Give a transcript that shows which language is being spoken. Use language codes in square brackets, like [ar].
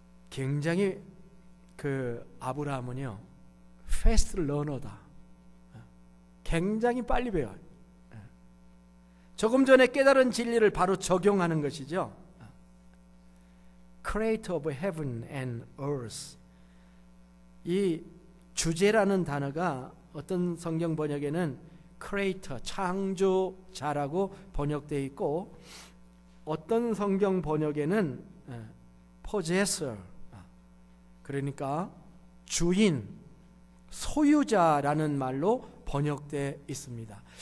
[ko] 굉장히 그 아브라함은요, 패스트 러너다. 굉장히 빨리 배워요. 조금 전에 깨달은 진리를 바로 적용하는 것이죠. [en] Creator of heaven and earth. [ko] 이 주제라는 단어가 어떤 성경 번역에는 creator, 창조자라고 번역되어 있고 어떤 성경 번역에는 possessor, 그러니까 주인, 소유자라는 말로 번역되어 있습니다.